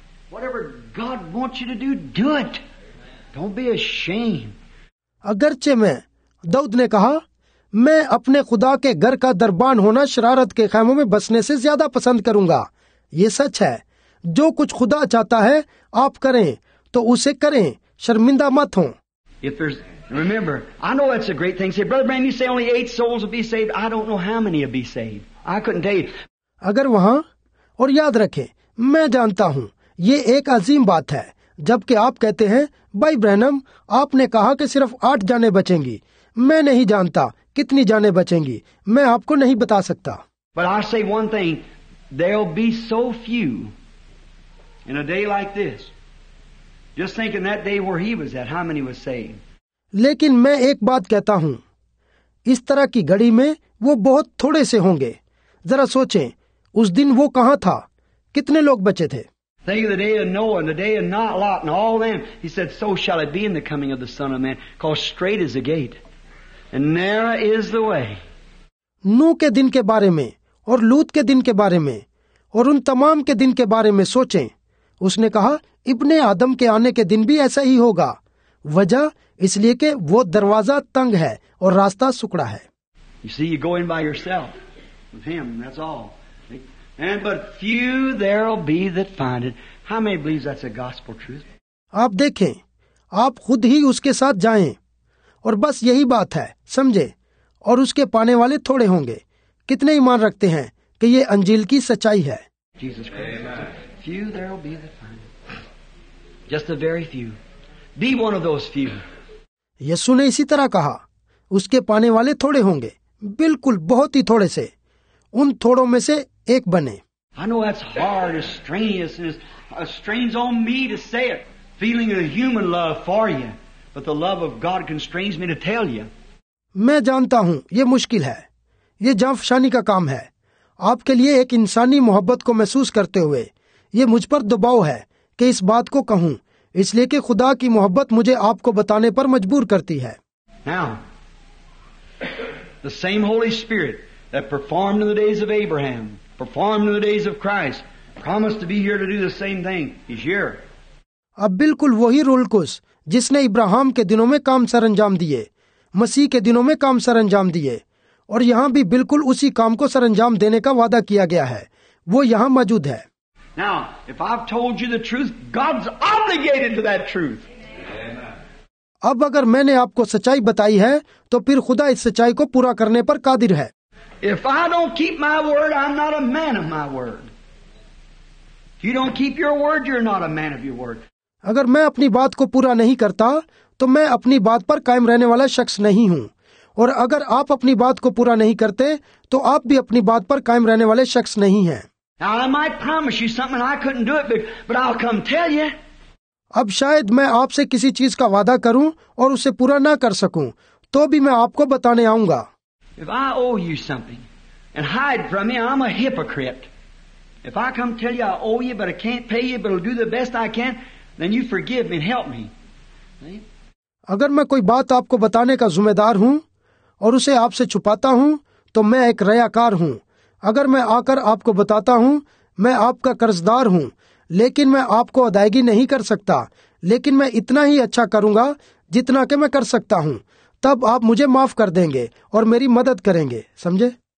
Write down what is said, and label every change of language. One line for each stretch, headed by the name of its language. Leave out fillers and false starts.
English: Whatever God wants you to do, do it. Don't be ashamed.
Hindi: अगरचे मैं, दाऊद ने कहा, मैं अपने खुदा के घर का दरबान होना शरारत के खैमों में बसने से ज्यादा पसंद करूंगा। ये सच है, जो कुछ खुदा चाहता है आप करें तो उसे करें, शर्मिंदा मत हो।
English: Remember, I know that's a great thing. Say, Brother Branham, you say only 8 souls will be saved. I don't know how many will be saved. I couldn't tell you.
Hindi: अगर वहाँ, और याद रखें, मैं जानता हूँ, ये एक अजीम बात है। जबकि आप कहते हैं, भाई ब्रैनम, आपने कहा कि सिर्फ 8 जाने बचेंगी। मैं नहीं जानता कितनी जाने बचेंगी। मैं आपको नहीं बता सकता।
English: But I say one thing, there'll be so few in a day like this. Just think in that day where he was at, how many were saved?
Hindi: लेकिन मैं एक बात कहता हूँ, इस तरह की घड़ी में वो बहुत थोड़े से होंगे। जरा सोचें, उस दिन वो कहाँ था, कितने लोग बचे थे?
English: Think of the day of Noah and the day of Not Lot and all them. He said, so shall it be in the coming of the Son of Man, cause straight is the gate and narrow is the way.
Hindi: नूह के दिन के बारे में और लूत के दिन के बारे में और उन तमाम के दिन के बारे में सोचें। उसने कहा, इब्ने आदम के आने के दिन भी ऐसा ही होगा। वजह इसलिए कि वो दरवाजा तंग है और रास्ता सुकड़ा है।
English: You see, you go in by yourself with him, that's all. And but few there'll be that find it. How many believes that's a gospel truth?
Hindi: आप देखें, आप खुद ही उसके साथ जाएं और बस यही बात है, समझे? और उसके पाने वाले थोड़े होंगे। कितने ईमान रखते हैं कि ये अंजील की सच्चाई है?
English: Jesus Christ. Few there'll be that find it. Just a very few. Be one of those few.
Hindi: यीशु ने इसी तरह कहा, उसके पाने वाले थोड़े होंगे, बिल्कुल बहुत ही थोड़े से, उन थोड़ों में से एक बने।
English: I know that's hard, it's strenuous, and it strains on me to say it, feeling a human love for you, but the love of God constrains me to tell you.
Hindi: मैं जानता हूँ ये मुश्किल है, ये जाफशानी का काम है, आपके लिए एक इंसानी मोहब्बत को महसूस करते हुए, ये मुझ पर दबाव है कि इस बात को कहूँ, इसलिए कि खुदा की मोहब्बत मुझे आपको बताने पर मजबूर करती है।
English: Now, the same Holy Spirit that performed in the days of Abraham, performed in the days of Christ, promised to be here to do the same thing. He's here.
Hindi: अब बिल्कुल वही रुलकुस जिसने इब्राहिम के दिनों में काम सरंजाम दिए, मसीह के दिनों में काम सरंजाम दिए, और यहाँ भी बिल्कुल उसी काम को सरंजाम देने का वादा किया गया है, वो यहाँ मौजूद है।
English: Now, if I've told you the truth, God's obligated to that truth.
Hindi: अब अगर मैंने आपको सच्चाई बताई है तो फिर खुदा इस सच्चाई को पूरा करने पर कादिर है।
English: If I don't keep my word, I'm not a man of my word. If you don't keep your word, you're not a man of your word.
Hindi: अगर मैं अपनी बात को पूरा नहीं करता तो मैं अपनी बात पर कायम रहने वाला शख्स नहीं हूँ, और अगर आप अपनी बात को पूरा नहीं करते तो आप भी अपनी बात पर कायम रहने वाले शख्स नहीं हैं।
English: Now, I might promise you something I couldn't do it, but I'll come tell you.
Hindi: अब शायद मैं आपसे किसी चीज का वादा करूं और उसे पूरा ना कर सकूं, तो भी मैं आपको बताने आऊंगा।
English: If I owe you something and hide from you, I'm a hypocrite. If I come tell you I owe you, but I can't pay you, but I'll do the best I can, then you forgive me and help me.
Hindi: अगर मैं कोई बात आपको बताने का जुम्मेदार हूँ और उसे आपसे छुपाता हूँ, तो मैं एक रयाकार हूँ। अगर मैं आकर आपको बताता हूँ, मैं आपका कर्जदार हूँ, लेकिन मैं आपको अदायगी नहीं कर सकता, लेकिन मैं इतना ही अच्छा करूँगा जितना के मैं कर सकता हूँ, तब आप मुझे माफ कर देंगे और मेरी मदद करेंगे, समझे?